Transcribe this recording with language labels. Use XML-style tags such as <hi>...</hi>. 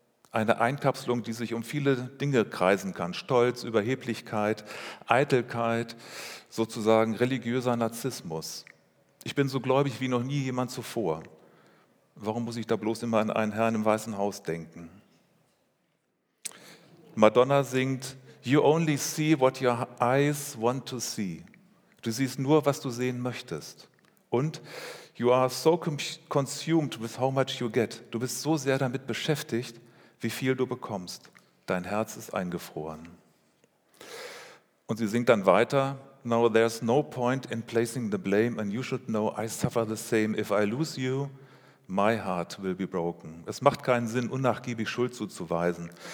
<de>Eine Einkapselung, die sich um viele Dinge kreisen kann. Stolz, Überheblichkeit, Eitelkeit, sozusagen religiöser Narzissmus. Ich bin so gläubig wie noch nie jemand zuvor. Warum muss ich da bloß immer an einen Herrn im Weißen Haus denken? Madonna singt,</de> <en>You only see what your eyes want to see.</en> <de>Du siehst nur, was du sehen möchtest. Und</de> <en>you are so consumed with how much you get.</en> <de>Du bist so sehr damit beschäftigt, wie viel du bekommst. Dein Herz ist eingefroren. Und sie singt dann weiter,</de> <en>Now there's no point in placing the blame and you should know I suffer the same if I lose you. My heart will be broken.</en> <de>Es macht keinen Sinn, unnachgiebig Schuld zuzuweisen.</de>